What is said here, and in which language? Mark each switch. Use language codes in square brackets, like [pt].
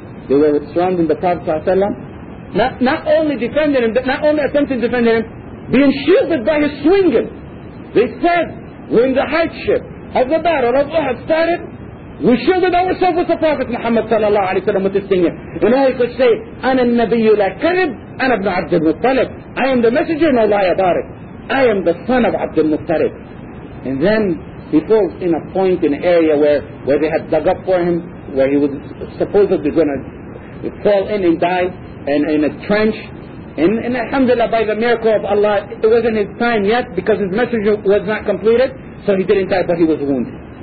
[en] They were surrounding the Prophet sallallahu alaihi wasallam, not only defending him, but not only attempting to defend him, being shielded by his swinging. They said, when the hardship of the battle of Uhud started, we shielded ourselves with the Prophet Muhammad sallallahu alayhi wa sallam with this thing. And all he could say, [ar] أنا النبي لا كذب أنا ابن عبد المطلب. [en] I am the messenger, no lie about it. I am the son of Abd al-Muttalib. And then he falls in a point, in an area where they had dug up for him, where he was supposedly going to fall in and die in a trench. And alhamdulillah, by the miracle of Allah, it wasn't his time yet because his messenger was not completed, so he didn't die, but he was wounded.